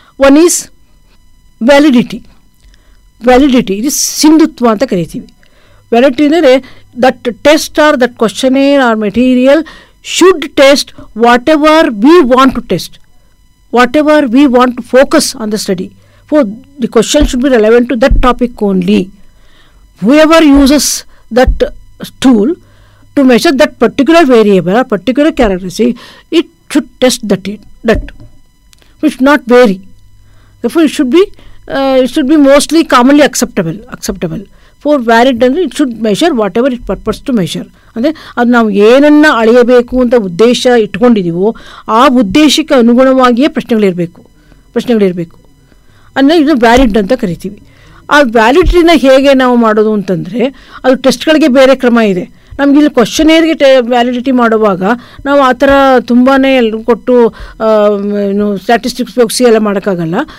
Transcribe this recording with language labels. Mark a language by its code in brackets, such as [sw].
[en] One is validity. [kn] Validity ಇದು ಸಿಂಧುತ್ವ ಅಂತ ಕರಿತೀವಿ. [en] Validity ಅಂದರೆ that test or that questionnaire or material should test whatever we want to test, whatever we want to focus on the study. For the question should be relevant to that topic only. Whoever uses that tool to measure that particular variable or particular characteristic, it should test that it should not vary. Therefore it should be mostly commonly acceptable. For valid then it should measure whatever it purpose to measure. [kn] ಅಂದರೆ ಅದು ನಾವು ಏನನ್ನು ಅಳೆಯಬೇಕು ಅಂತ ಉದ್ದೇಶ ಇಟ್ಕೊಂಡಿದ್ದೀವೋ ಆ ಉದ್ದೇಶಕ್ಕೆ ಅನುಗುಣವಾಗಿಯೇ ಪ್ರಶ್ನೆಗಳಿರಬೇಕು ಅಂದರೆ ಇದು ವ್ಯಾಲಿಡ್ ಅಂತ ಕರಿತೀವಿ. ಆ ವ್ಯಾಲಿಡಿಟಿನ ಹೇಗೆ ನಾವು ಮಾಡೋದು ಅಂತಂದರೆ, ಅದು ಟೆಸ್ಟ್ಗಳಿಗೆ ಬೇರೆ ಕ್ರಮ ಇದೆ. ನಮಗಿಲ್ಲಿ ಕ್ವಶನೇರ್ಗೆ ವ್ಯಾಲಿಡಿಟಿ ಮಾಡುವಾಗ ನಾವು ಆ ಥರ ತುಂಬಾ ಎಲ್ಲರೂ ಕೊಟ್ಟು ಸ್ಟ್ಯಾಟಿಸ್ಟಿಕ್ಸ್ ಉಪಯೋಗಿಸಿ ಎಲ್ಲ ಮಾಡೋಕ್ಕಾಗಲ್ಲ.